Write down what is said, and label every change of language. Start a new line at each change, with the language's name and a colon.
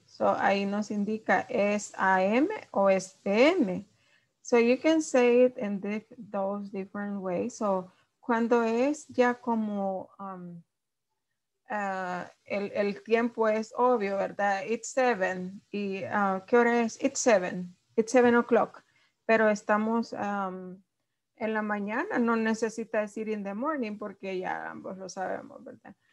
Spanish: So ahí nos indica, ¿es AM o es PM?
English: So you can say it in those different ways.
Spanish: So cuando es ya como el tiempo es obvio, ¿verdad?
English: It's 7.
Spanish: ¿Y qué hora es?
English: It's 7. It's 7 o'clock.
Spanish: Pero estamos en la mañana, no necesita decir
English: in the morning
Spanish: porque ya ambos lo sabemos, ¿verdad?